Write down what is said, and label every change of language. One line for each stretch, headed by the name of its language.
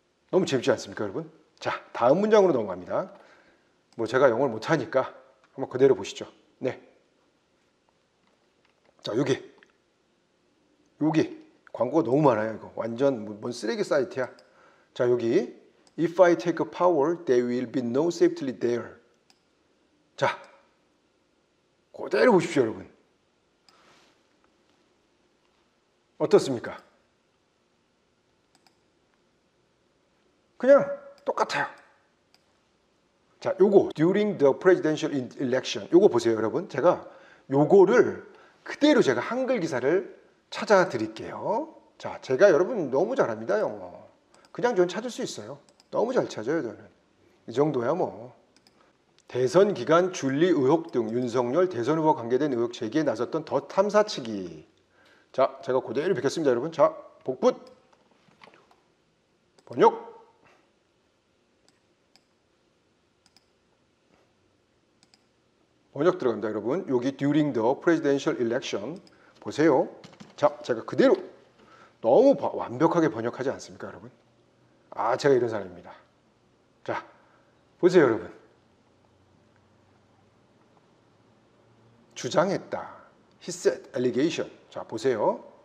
Korean: 너무 재밌지 않습니까, 여러분? 자, 다음 문장으로 넘어갑니다. 뭐 제가 영어를 못하니까 한번 그대로 보시죠. 네. 자, 요게. 요게. 광고가 너무 많아요, 이거. 완전 뭔 쓰레기 사이트야. 자, 여기.
English: If I take power, there will be no safety there.
Korean: 자, 그대로 보십시오, 여러분. 어떻습니까? 그냥 똑같아요. 자, 요거.
English: During the presidential election.
Korean: 요거 보세요, 여러분. 제가 요거를 그대로 제가 한글 기사를 찾아드릴게요. 자, 제가 여러분 너무 잘합니다, 영어. 그냥 전 찾을 수 있어요. 너무 잘 찾아요, 저는. 이 정도야, 뭐. 대선 기간 줄리 의혹 등 윤석열 대선 후보 관계된 의혹 제기에 나섰던 더 탐사 측이. 자, 제가 그대로 뵙겠습니다, 여러분. 자, 복붙. 번역. 번역 들어갑니다, 여러분.
English: 여기 during the presidential election.
Korean: 보세요. 자, 제가 그대로. 너무 완벽하게 번역하지 않습니까, 여러분? 아, 제가 이런 사람입니다. 자, 보세요, 여러분. 주장했다.
English: He said, allegation.
Korean: 자, 보세요.